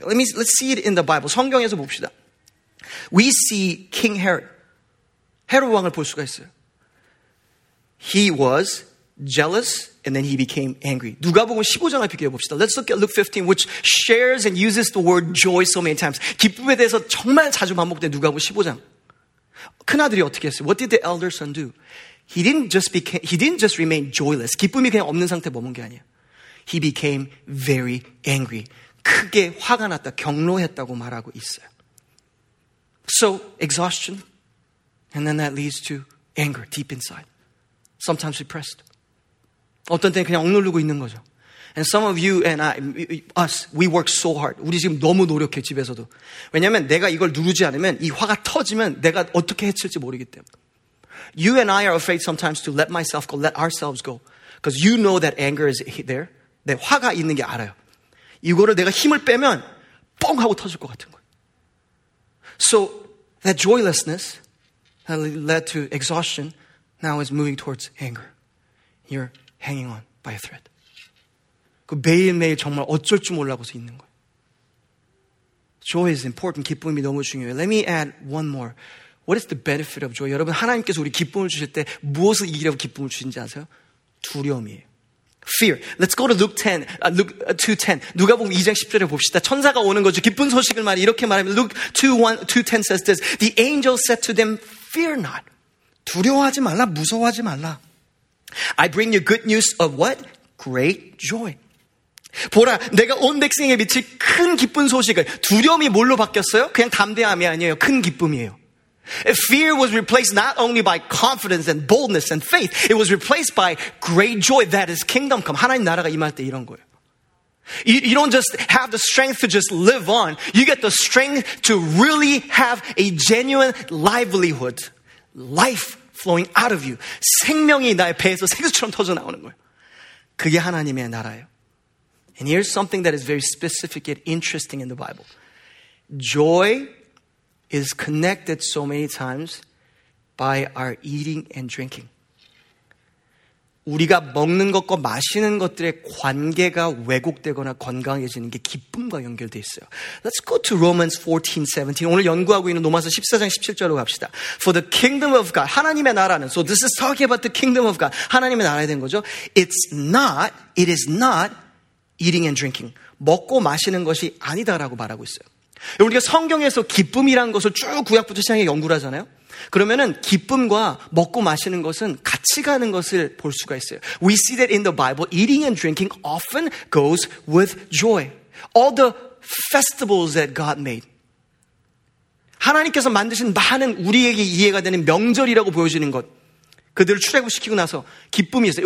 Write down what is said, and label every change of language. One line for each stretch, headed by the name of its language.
English: Let's see it in the Bible.
Korean: 성경에서 봅시다.
English: We see King Herod.
Korean: 헤롯 왕을 볼 수가 있어요.
English: He was jealous and then he became angry.
Korean: 누가복음 15장을 비교해 봅시다.
English: Let's look at Luke 15 which shares and uses the word joy so many times.
Korean: 기쁨에 대해서 정말 자주 반복된 누가복음 15장. 큰아들이 어떻게 했어요?
English: What did the elder son do? He didn't just remain joyless.
Korean: 기쁨이 그냥 없는 상태에 머문 게 아니야.
English: He became very angry.
Korean: 크게 화가 났다, 격노했다고 말하고 있어요.
English: So, exhaustion. And then that leads to anger deep inside. Sometimes depressed.
Korean: 어떤 때는 그냥 억누르고 있는 거죠.
English: And some of you and I, us, we work so hard.
Korean: 우리 지금 너무 노력해, 집에서도. 왜냐면 내가 이걸 누르지 않으면 이 화가 터지면 내가 어떻게 해칠지 모르기 때문에.
English: You and I are afraid sometimes to let myself go, let ourselves go. Because you know that anger is there.
Korean: 내 화가 있는 게 알아요. 이거를 내가 힘을 빼면 뻥 하고 터질 것 같은 거예요.
English: So that joylessness that led to exhaustion now is moving towards anger. You're hanging on by a thread.
Korean: 그 매일매일 정말 어쩔 줄 몰라서 있는 거예요.
English: Joy is important.
Korean: 기쁨이 너무 중요해요.
English: Let me add one more. What is the benefit of joy?
Korean: 여러분, 하나님께서 우리 기쁨을 주실 때 무엇을 이기려고 기쁨을 주신지 아세요? 두려움이에요.
English: Fear. Let's go to Luke 10. Luke 2:10.
Korean: 누가 보면 2장 10절을 봅시다. 천사가 오는 거죠. 기쁜 소식을 말해. 이렇게 말하면
English: Luke 2:10 says this. The angel said to them, fear not.
Korean: 두려워하지 말라. 무서워하지 말라.
English: I bring you good news of what? Great joy.
Korean: 보라, 내가 온 백성에게 미칠 큰 기쁜 소식을. 두려움이 뭘로 바뀌었어요? 그냥 담대함이 아니에요. 큰 기쁨이에요.
English: Fear was replaced not only by confidence and boldness and faith. It was replaced by great joy. That is kingdom come.
Korean: 하나님 나라가 임할 때 이런 거예요.
English: You don't just have the strength to just live on. You get the strength to really have a genuine livelihood. Life flowing out of you.
Korean: 생명이 나의 배에서 생수처럼 터져 나오는 거예요. 그게 하나님의 나라예요.
English: And here's something that is very specific and interesting in the Bible. Joy is connected so many times by our eating and drinking.
Korean: 우리가 먹는 것과 마시는 것들의 관계가 왜곡되거나 건강해지는 게 기쁨과 연결되어 있어요.
English: Let's go to Romans 14, 17.
Korean: 오늘 연구하고 있는 로마서 14장 17절로 갑시다.
English: For the kingdom of God,
Korean: 하나님의 나라는,
English: so this is talking about the kingdom of God,
Korean: 하나님의 나라에 대한 거죠.
English: It is not eating and drinking.
Korean: 먹고 마시는 것이 아니다라고 말하고 있어요. 우리가 성경에서 기쁨이라는 것을 쭉 구약부터 시작해 연구를 하잖아요. 그러면은 기쁨과 먹고 마시는 것은 같이 가는 것을 볼 수가 있어요.
English: We see that in the Bible, eating and drinking often goes with joy. All the festivals that God made.
Korean: 하나님께서 만드신 많은 우리에게 이해가 되는 명절이라고 보여지는 것. 그들을 출애굽시키고 나서 기쁨이 있어요.